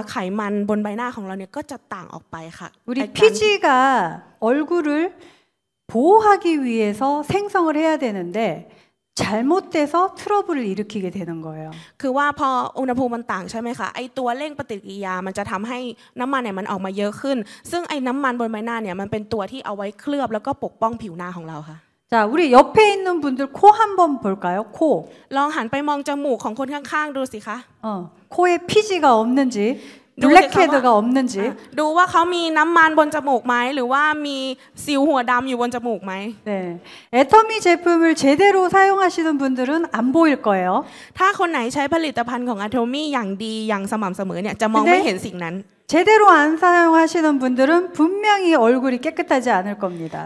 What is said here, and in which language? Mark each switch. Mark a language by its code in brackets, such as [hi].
[th] แต่ว่ารู้ไหมคะว่าถ้าผิวของเราเนี่ยอุณหภูมิมันต่างกันแค่1องศาเนี่ยไอตัวไขมันบนใบหน้าของเราเนี่ยก็จะต่างออกไปค่ะ [ko] 우리 피지가 얼굴을 보호하기 위해서 생성을 해야 되는데 잘못돼서 트러블을 일으키게 되는 거예요. [th] 그와พออุณหภูมิมันต่างใช่ไหมคะไอตัวเร่งปฏิกิริยามันจะทำให้น้ำมันเนี่ยมันออกมาเยอะขึ้นซึ่งไอน้ำมันบนใบหน้าเนี่ยมันเป็นตัวที่เอาไว้เคลือบแล้วก็ปกป้องผิวหน้าของเราค่ะ [ko] 자우리옆에있는분들코한번볼까요코 [th] ลองหันไปมองจมูกของคนข้างๆดูสิคะ [ko] 코에피지가없는지블랙헤드가없는지 [th] ดูว่าเขามีน้ำมันบนจมูกไหมหรือว่ามีสิวหัวดำอยู่บนจมูกไหม [ko] 네애터미제품을제대로사용하시는분들은안보일거예요 [th] ถ้าคนไหนใช้ผลิตภัณฑ์ของแอโทมี่อย่างดีอย่างสม่ำเสมอเนี่ยจะมองไม่เห็นสิ่งนั้น [ko] 제대로안사용하시는분들은분명히얼굴이깨끗하지않을겁니다